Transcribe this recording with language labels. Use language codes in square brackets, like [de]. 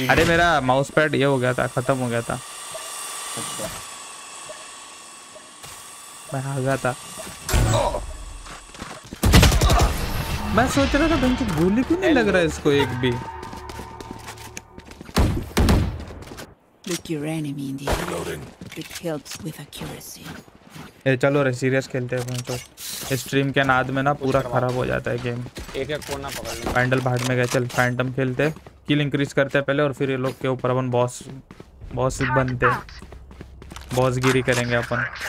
[hi] अरे मेरा mouse pad ये हो गया था, खत्म हो गया था, मैं आ गया था। मैं सोच रहा था बंदे गोली क्यों नहीं लग रहा है इसको एक भी। [en] Look your enemy in the eye. It helps with accuracy. [hi] ए, चलो रे सीरियस खेलते हैं। तो स्ट्रीम के नाद में ना पूरा खराब हो जाता है गेम। एक एक कोना पकड़ ले, पैंडल भाग में गए। चल फैंटम खेलते, किल इंक्रीज करते पहले, और फिर ये लोग के ऊपर अपन बॉस बॉस बनते, बॉस गिरी करेंगे अपन।